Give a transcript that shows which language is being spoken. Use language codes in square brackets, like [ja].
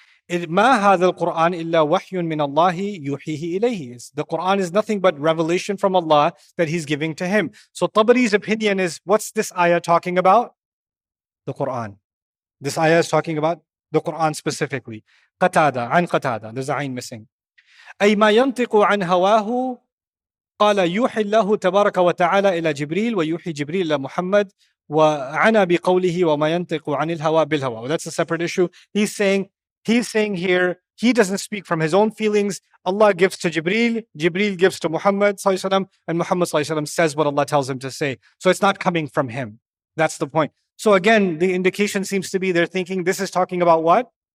[ar] مَا هَذَا الْقُرْآنِ إِلَّا وَحْيٌ مِّنَ اللَّهِ يُحِيهِ إِلَيْهِ. [en] The Quran is nothing but revelation from Allah that he's giving to him. So Tabari's opinion is, what's this ayah talking about? The Quran. This ayah is talking about the Quran specifically. قَتَادَ, عَنْ قَتَادَ. There's a عَيْن missing. [ar] أي ما ينطق عن هواه. قال يوحي الله تبارك وتعالى إلى جبريل ويوحي جبريل إلى محمد وعنى بقوله وما ينطق عن الهوى بالهوى. [en] That's a separate issue. He's saying here he doesn't speak from his own feelings. Allah gives to Jibril, Jibril gives to Muhammad sallallahu alaihi wasallam, and Muhammad sallallahu alaihi wasallam says what Allah tells him to say. So it's not coming from him. That's the point. So again, the indication seems to be they're thinking this is talking about what?